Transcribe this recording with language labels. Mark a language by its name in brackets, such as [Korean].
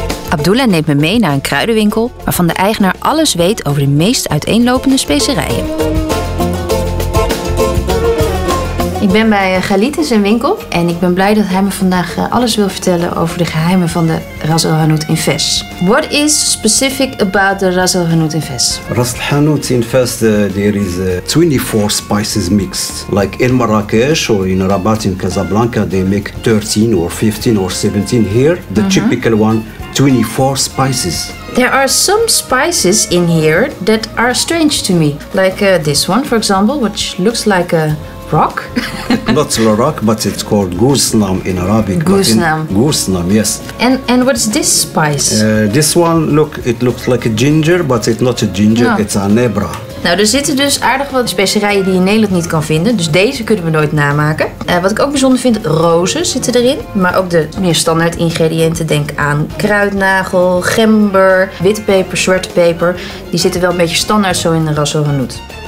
[Dutch] Abdullah neemt me mee naar een kruidenwinkel waarvan de eigenaar alles weet over de meest uiteenlopende specerijen. Ik ben bij Galit in zijn winkel en ik ben blij dat hij me vandaag alles wil vertellen over de geheimen van de ras el hanout in Fes. [English] What is specific about the ras el hanout in Fes? Ras el hanout in Fes, there is 24 spices mixed. Like in Marrakech or in Rabat in Casablanca, they make 13 or 15 or 17 here. The typical one, 24 spices. There are some spices in here that are strange to me. Like this one, for example, which looks like a rock. Not La Rock, but it's called Ghusnam in Arabic. Ghusnam. Ghusnam, yes. And what's this spice? This one, look, it looks like a ginger, but it's not a ginger, no. It's a nebra. [Dutch] Nou, er zitten dus aardig wat specerijen die je in Nederland niet kan vinden. Dus deze kunnen we nooit namaken. Wat ik ook bijzonder vind, rozen zitten erin. Maar ook de meer standaard ingrediënten. Denk aan kruidnagel, gember, witte peper, zwarte peper. Die zitten wel een beetje standaard zo in de ras hanout.